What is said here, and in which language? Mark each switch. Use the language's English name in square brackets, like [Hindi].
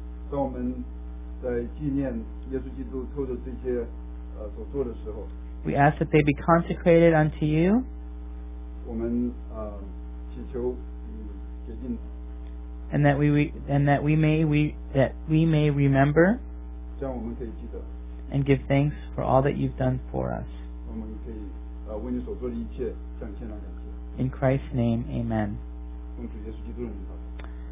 [Chinese] 当我们在纪念耶稣基督透着这些所做的时候, [English] We ask that they be consecrated unto you. [Chinese] 我们, 祈求, 洁净, [English] and that we may remember [Chinese] 这样我们可以记得, [English] and give thanks for all that you've done for us. [Chinese] 我们可以, 为你所做的一切, 向天来感谢。 [English] In Christ's name, amen. [Chinese] 奉主耶稣基督的名祷告。